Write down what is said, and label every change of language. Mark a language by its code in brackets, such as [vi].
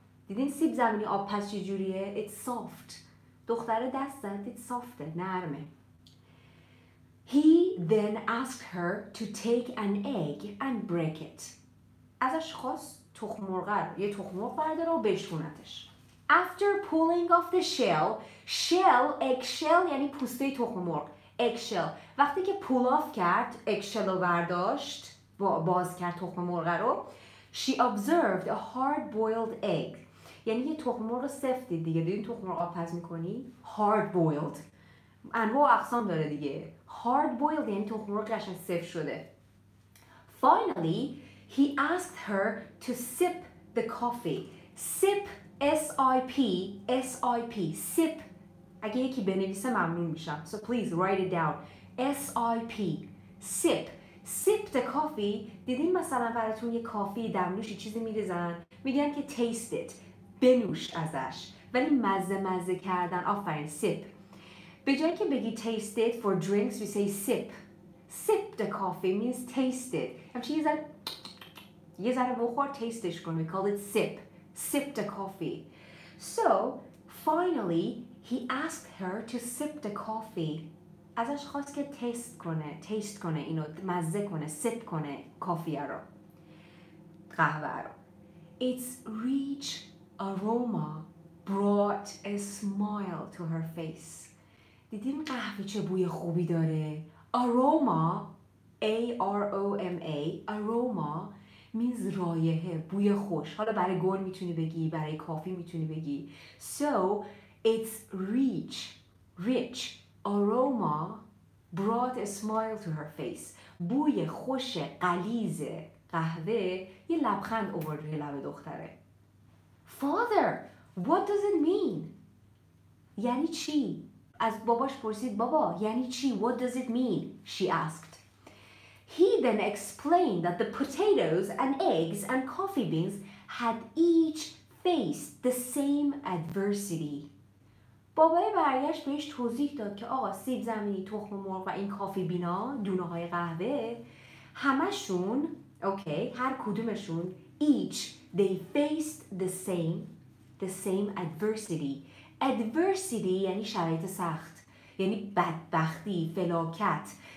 [fa] دیدین سیب زمینی آب پس چی جوریه؟ [en] It's soft. [fa] دختره دست زد. [en] It's soft. [fa] نرمه. [en] He then asked her to take an egg and break it. [fa] ازش خواست تخم مرغ رو، یه تخم مرغ برداره و بشکونتش. [en] After pulling off the shell, eggshell [fa] یعنی پوسته تخم مرغ. [en] Eggshell. [fa] وقتی که pull off کرد، eggshell رو برداشت، باز کرد تخم مرغ رو. [en] She observed a hard-boiled egg. [fa] یعنی یه تخم مرغ سفت دید دیگه. دیدین تخم مرغ آب پز میکنی؟ Hard-boiled. انواع و اقسام داره دیگه. Hard-boiled یعنی تخم مرغ قشنگ سفت شده. [en] Finally, he asked her to sip the coffee. Sip, S-I-P, S-I-P, sip. [fa] اگه یکی بنویسه ممنون میشم. [en] So please write it down. S-I-P, sip. Sip the coffee. [fa] دیدین مثلا براتون یه کافی دمنوش چیزی میریزن؟ میگن که [en] taste it. [fa] بنوش ازش. ولی مزه مزه کردن. آفرین. Sip. به جایی که بگی [en] taste it for drinks we say sip. Sip the coffee means taste it. [fa] همچنین یه ذره بخور تیستش کن. [en] We call it sip. Sip the coffee. So, finally, he asked her to sip the coffee. [fa] ازش خواست که تیست کنه. تیست کنه اینو. مزه کنه. Sip کنه کافیه رو. قهوه رو. [en] Its rich aroma brought a smile to her face. [fa] دیدیم قهوه چه بوی خوبی داره. [en] Aroma, A-R-O-M-A, aroma, means [fa] رایحه، بوی خوش. حالا برای گل میتونی بگی، برای کافی میتونی بگی. [en] So, its rich aroma brought a smile to her face. [fa] بوی خوش غلیظ قهوه یه لبخند آورد روی لب دختره. [en] Father, what does it mean? [fa] یعنی چی؟ از باباش پرسید بابا یعنی چی؟ [en] What does it mean? She asked. He then explained that the potatoes and eggs and coffee beans had each faced the same adversity. [fa] بابای برگشت بهش توضیح داد که آقا سیب زمینی، تخم مرغ و این کافی بینا، دونه های قهوه، همشون، اوکی، هر کدومشون، each, [en] they faced the same adversity. [fa] Adversity یعنی شرایط سخت، یعنی بدبختی، فلاکت.